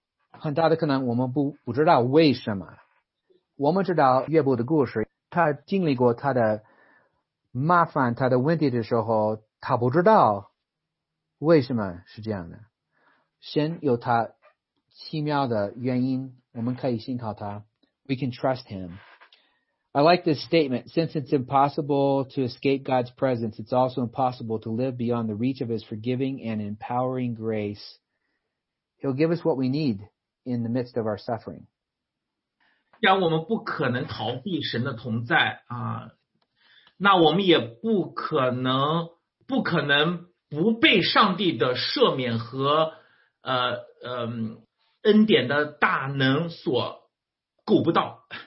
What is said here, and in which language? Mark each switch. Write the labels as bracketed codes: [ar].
[zh] 很大的可能我们不知道为什么，我们知道约伯的故事，他经历过他的麻烦他的问题的时候，他不知道为什么是这样的，神有他奇妙的原因，我们可以信靠他。 [en] We can trust him. I like this statement. Since it's impossible to escape God's presence, it's also impossible to live beyond the reach of his forgiving and empowering grace. He'll give us what we need in the midst of our suffering. [zh] 让我们不可能逃避神的同在啊，那我们也不可能不被上帝的赦免和恩典的大能所够不到。